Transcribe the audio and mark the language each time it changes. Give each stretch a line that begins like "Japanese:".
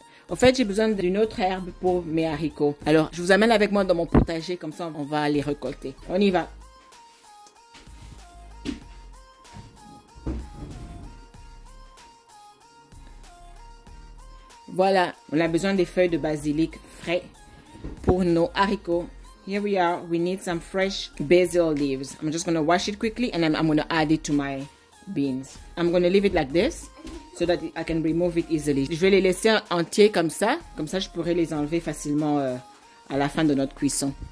French: En fait, j'ai besoin d'une autre herbe pour mes haricots. Alors, je vous amène avec moi dans mon potager, comme ça on va les récolter. On y va. Voilà, on a besoin des feuilles de basilic frais pour nos haricots.
English: Here we are, we need some fresh basil leaves. I'm just going to wash it quickly and then I'm going to add it to my beans. I'm going to leave it like this. So that I can remove it easily.
French: Je vais les laisser entiers comme ça je pourrai les enlever facilement à la fin de notre cuisson.